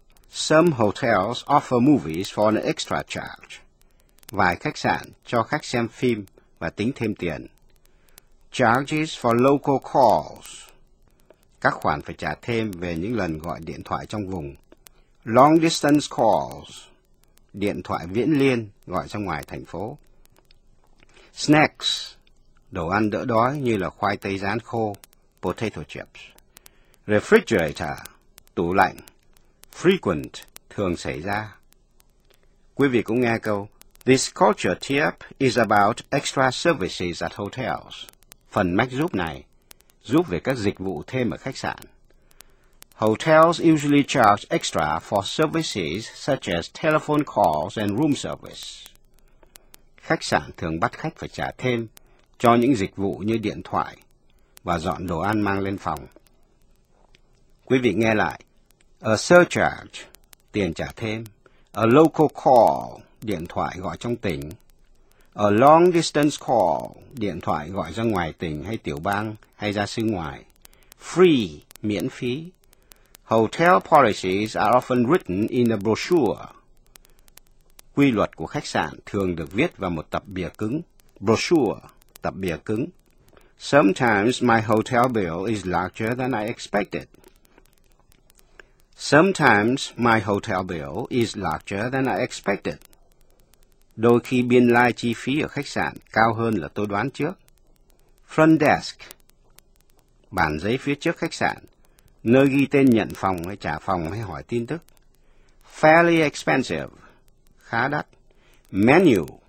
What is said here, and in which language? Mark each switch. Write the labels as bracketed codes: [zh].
[en] Some hotels offer movies for an extra charge. [vi] Vài khách sạn cho khách xem phim và tính thêm tiền. [en] Charges for local calls. [vi] Các khoản phải trả thêm về những lần gọi điện thoại trong vùng. [en] Long distance calls. [vi] Điện thoại viễn liên gọi ra ngoài thành phố. Snacks. Đồ ăn đỡ đói như là khoai tây rán khô, potato chips. Refrigerator, tủ lạnh. Frequent, thường xảy ra. Quý vị cũng nghe câu, [en] This culture tip is about extra services at hotels. [vi] Phần mách giúp này, giúp về các dịch vụ thêm ở khách sạn. [en] Hotels usually charge extra for services such as telephone calls and room service. [vi] Khách sạn thường bắt khách phải trả thêm cho những dịch vụ như điện thoại và dọn đồ ăn mang lên phòng. Quý vị nghe lại. A surcharge, tiền trả thêm. A local call, điện thoại gọi trong tỉnh. A long distance call, điện thoại gọi ra ngoài tỉnh hay tiểu bang hay ra xứ ngoài. Free, miễn phí. [en] Hotel policies are often written in a brochure. [vi] Quy luật của khách sạn thường được viết vào một tập bìa cứng. Brochure. Tập bìa cứng. [en] Sometimes my hotel bill is larger than I expected. Sometimes my hotel bill is larger than I expected. [vi] Đôi khi biên lai chi phí ở khách sạn cao hơn là tôi đoán trước. Front desk. Bàn giấy phía trước khách sạn, nơi ghi tên nhận phòng hay trả phòng hay hỏi tin tức. [en] Fairly expensive. [vi] Khá đắt. [en] Menu.